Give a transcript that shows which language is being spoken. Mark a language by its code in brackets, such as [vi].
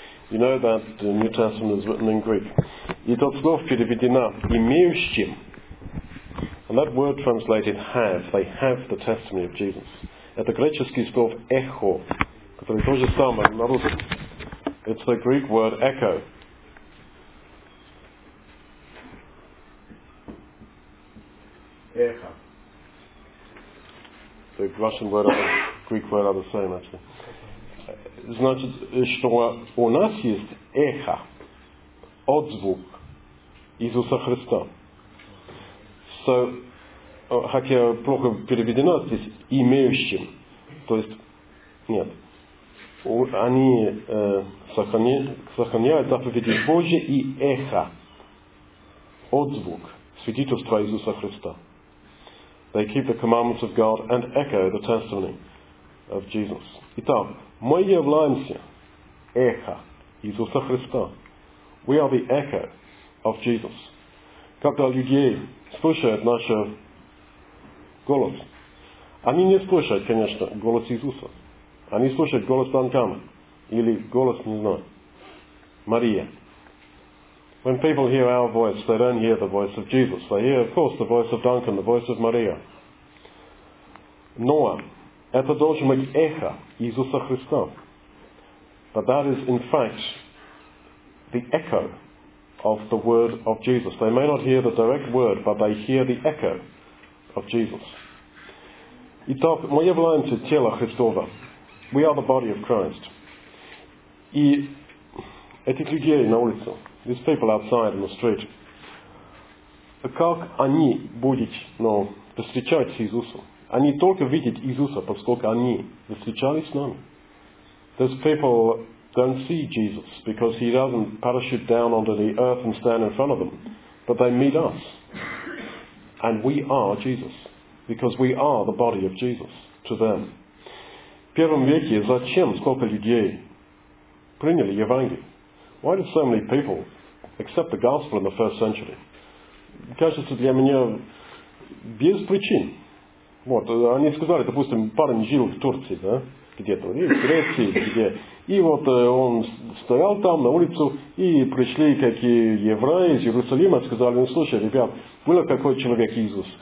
[en] You know that New Testament is written in Greek. [ru] И тот слов переведено имеющим. [en] And that word translated have, they have the testimony of Jesus. [ru] Это греческий слов echo, который тоже самое на русском. [en] It's the Greek word echo. Echo. The Russian word, the Greek word are the same actually. [ru] Значит, что у нас есть эхо, отзвук Иисуса Христа. So, хотя плохо переведено здесь, имеющим. То есть, нет. Они сохраняют заповеди Божьи и эхо, отзвук, свидетельство Иисуса Христа. [en] They keep the commandments of God and echo the testimony of Jesus. [ru] Итак, мы являемся эхо Иисуса Христа. [en] We are the echo of Jesus. [ru] Когда люди слушают наш голос, они не слушают, конечно, голос Иисуса. Они слушают голос Данкама или голос, не знаю, Мария. [en] When people hear our voice, they don't hear the voice of Jesus. They hear, of course, the voice of Duncan, the voice of Maria. [ru] Но это должно быть эхо Иисуса Христа. [en] But that is, in fact, the echo of the word of Jesus. They may not hear the direct word, but they hear the echo of Jesus. [ru] Итак, мы являемся телом Христова. [en] We are the body of Christ. [ru] И эти люди на улице, [en] these people outside in the street, [ru] как они будут, ну, встречать с Иисусом? Они только видят Иисуса, поскольку они встречались с нами. [en] Those people don't see Jesus because he doesn't parachute down onto the earth and stand in front of them. But they meet us. And we are Jesus. Because we are the body of Jesus to them. [ru] В первом веке зачем сколько людей приняли Евангелие? [en] Why did so many people accept the gospel in the first century? [ru] Кажется, для меня без причин. Вот, они сказали, допустим, парень жил в Турции, да, где-то, и в Греции, где. И вот он стоял там на улицу, и пришли какие-то евреи из Иерусалима, сказали, ну слушай, ребят, был какой человек Иисус?